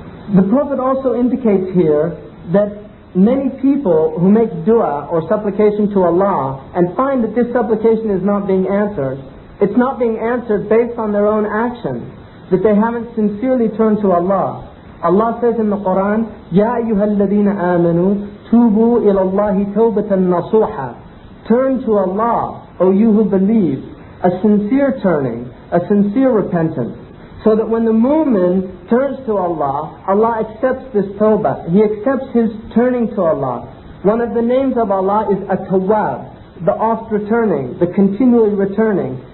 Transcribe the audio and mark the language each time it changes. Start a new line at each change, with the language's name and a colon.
English: The Prophet also indicates here that many people who make dua or supplication to Allah and find that this supplication is not being answered, it's not being answered based on their own actions, that they haven't sincerely turned to Allah. Allah says in the Quran,
Arabic: يَا أَيُّهَا الَّذِينَ آمَنُوا تُوبُوا إِلَى اللَّهِ تَوْبَةً نَصُوحًا.
English: Turn to Allah, O you who believe. A sincere turning, a sincere repentance. So that when the mu'min turns to Allah, Allah accepts this tawbah. He accepts his turning to Allah. One of the names of Allah is At-Tawwab, the oft-returning, the continually returning.